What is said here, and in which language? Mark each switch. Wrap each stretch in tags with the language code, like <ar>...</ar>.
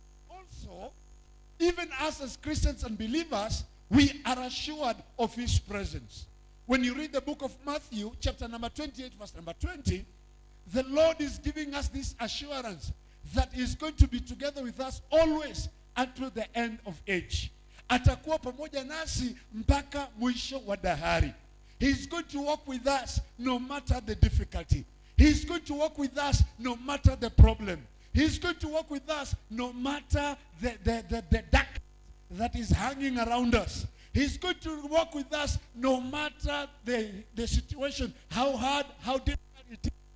<en>Also, even us as Christians and believers, we are assured of his presence. When you read the book of Matthew, chapter number 28, verse number 20, the Lord is giving us this assurance that is going to be together with us always until the end of age.</en> <sw>Atakuwa pamoja nasi mpaka mwisho wa dahari.</sw> <en>He is going to walk with us no matter the difficulty. He is going to walk with us no matter the problem. He is going to walk with us no matter the darkness that is hanging around us. He's going to walk with us no matter the situation, how hard, how difficult it is.</en>